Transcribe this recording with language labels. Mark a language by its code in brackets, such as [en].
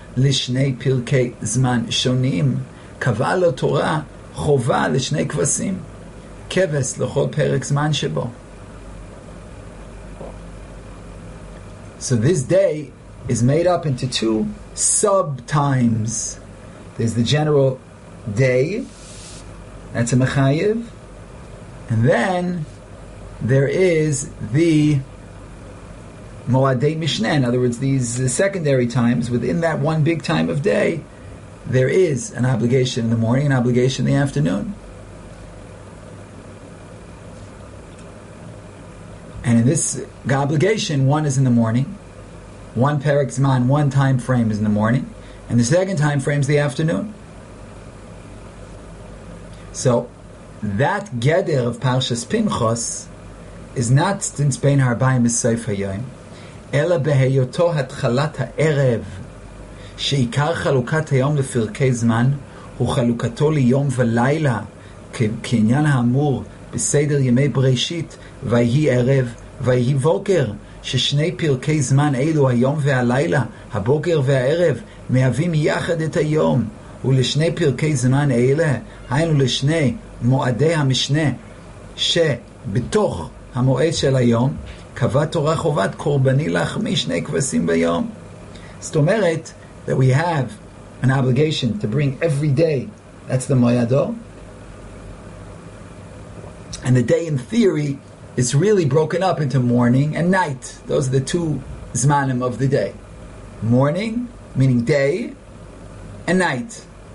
[he] לשני פרקי זמן שונים, קבעה לו תורה חובה לשני כבשים, כבש לכל פרק זמן שבו. [en] So this day is made up into two sub-times. There's the general day, that's a mechayiv, and then there is the Moadei Mishneh, in other words, these secondary times, within that one big time of day, there is an obligation in the morning, an obligation in the afternoon. And in this obligation, one is in the morning, one perek zman, one time frame is in the morning, and the second time frame is the afternoon. So, that geder of Parshas Pinchos is not since Bein Harbaim is Soif HaYoyim, [he] אלא בהיותו התחלת הערב, שעיקר חלוקת היום לפרקי זמן, הוא חלוקתו ליום ולילה, כעניין האמור, בסדר ימי בראשית, ויהי ערב, ויהי בוקר, ששני פרקי זמן אלו, היום והלילה, הבוקר והערב, מהווים יחד את היום, ולשני פרקי זמן אלה, היינו לשני מועדי המשנה, שבתוך המועד של היום, קבע תורה חובת קורבני לחמי שני כבשים ביום. זאת אומרת, [en] that we have an obligation to bring every day, that's the moyado, and the day in theory is really broken up into morning and night. Those are the two zmanim of the day. Morning, meaning day, and night.